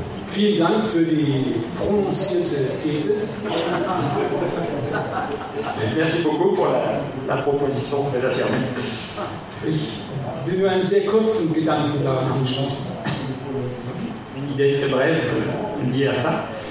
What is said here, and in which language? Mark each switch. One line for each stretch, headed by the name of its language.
German: Vielen Dank für die prononcierte These.
French: Merci beaucoup pour la proposition très affirmée.
German: Ich will nur einen sehr kurzen Gedanken daran anschließen.
French: Une idée très brève liée à ça.